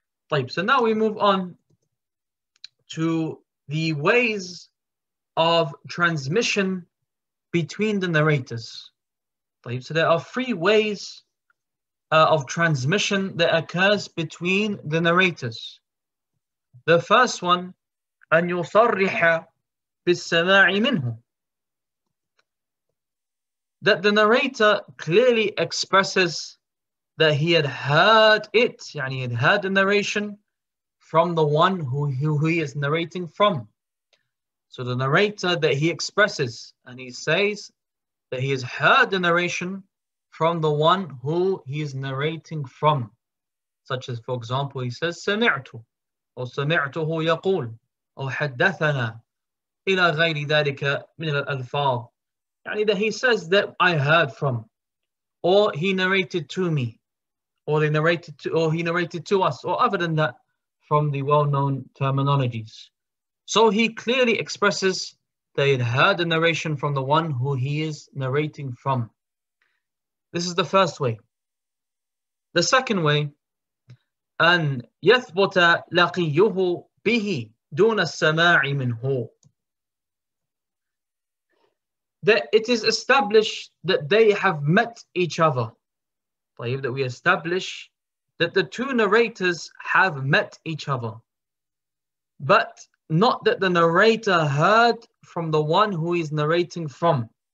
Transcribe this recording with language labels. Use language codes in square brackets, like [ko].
[en] طيب, so now we move on to the ways of transmission between the narrators. طيب, so there are three ways of transmission that occurs between the narrators. The first one, [ar] أن يصرح بالسماع منه. [en] That the narrator clearly expresses that he had heard it, يعني he had heard the narration from the one who he is narrating from. So the narrator that he expresses and he says that he has heard the narration from the one who he is narrating from. Such as, for example, he says, [ar] سمعته, or سمعته يقول, or حدثنا, إلى غير ذلك من الألفاظ. [en] يعني that he says that I heard from, or he narrated to me, or they narrated to, or he narrated to us, or other than that, from the well-known terminologies. So he clearly expresses they had heard the narration from the one who he is narrating from. This is the first way. The second way, [ar] أن يثبت لقيه به دون السماع منه. [en] That it is established that they have met each other. طيب, that we establish that the two narrators have met each other. But not that the narrator heard from the one who is narrating from.